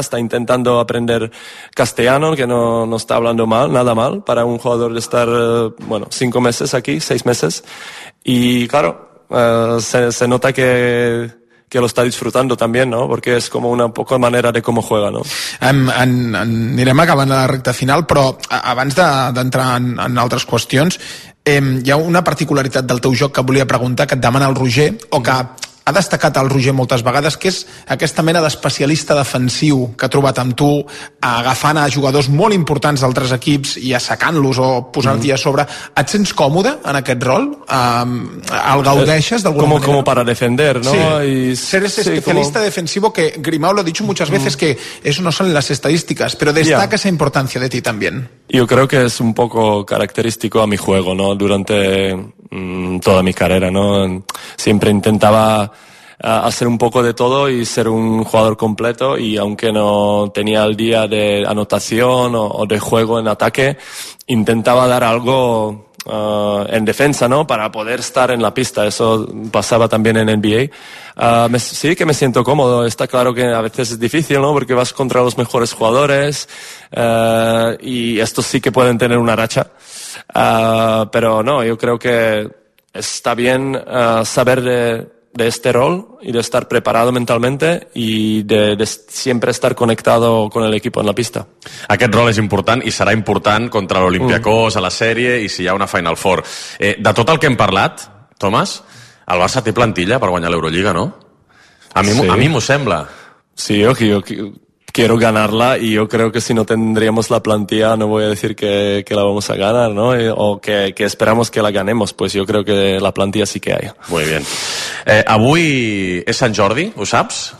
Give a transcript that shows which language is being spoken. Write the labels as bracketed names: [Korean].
[Spanish] Está intentando aprender castellano, que no está hablando mal, nada mal, para un jugador de estar, bueno, 5 meses aquí, 6 meses. Y claro, se nota que lo está disfrutando también, ¿no? Porque es como una poco manera de cómo juega, ¿no? [Catalan] Anirem acabant la recta final, però abans d'entrar en altres qüestions, hi ha una particularitat del teu joc que volia preguntar, que et demana el Roger, o que ha destacat el Roger moltes vegades, que és aquesta mena d'especialista defensiu que ha trobat amb tu, agafant a jugadors molt importants d'altres equips i assecant-los o posant-hi a sobre. Et sents còmode en aquest rol? El gaudeixes d'alguna manera? [Spanish] Como para defender, ¿no? Sí. Ser ese especialista defensivo que Grimau lo ha dicho muchas veces que eso no son las estadísticas, pero destaca esa importancia de ti también. Yo creo que es un poco característico a mi juego, ¿no? Durante toda mi carrera, ¿no? Siempre intentaba hacer un poco de todo y ser un jugador completo, y aunque no tenía el día de anotación o de juego en ataque, intentaba dar algo en defensa, ¿no? Para poder estar en la pista. Eso pasaba también en NBA. Sí que me siento cómodo. Está claro que a veces es difícil, ¿no? Porque vas contra los mejores jugadores, y estos sí que pueden tener una racha. Pero no, yo creo que está bien saber de este rol y de estar preparado mentalmente y de siempre estar conectado con el equipo en la pista. [Catalan] Aquest rol és important i serà important contra l'Olympiacos a la sèrie i si hi ha una Final Four. De tot el que hem parlat, Tomàs, el Barça té plantilla per guanyar l'Eurolliga, no? A mi m'ho sembla. [Spanish] Sí, jo quiero ganarla y yo creo que si no tendríamos la plantilla no voy a decir que la vamos a ganar, ¿no? O que esperamos que la ganemos, pues yo creo que la plantilla sí que hay. Muy bien. [Catalan] Avui és Sant Jordi, ho saps?